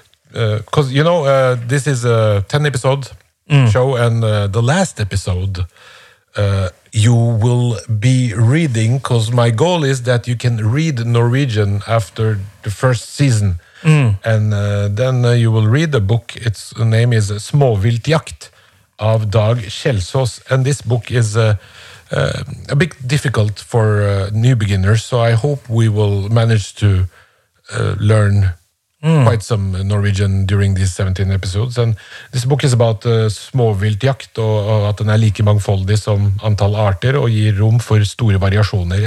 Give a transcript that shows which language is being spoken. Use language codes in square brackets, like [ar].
[en] Because, you know, this is a 10-episode show, and the last episode. You will be reading, because my goal is that you can read Norwegian after the first season. Mm. And then you will read the book. Its name is Småviltjakt av Dag Kjelsås. And this book is a bit difficult for new beginners. So I hope we will manage to learn quite some Norwegian during these 17 episodes. And this book is about småviltjakt, [no] og at den like mangfoldig som antall arter, og gir rom for store variasjoner.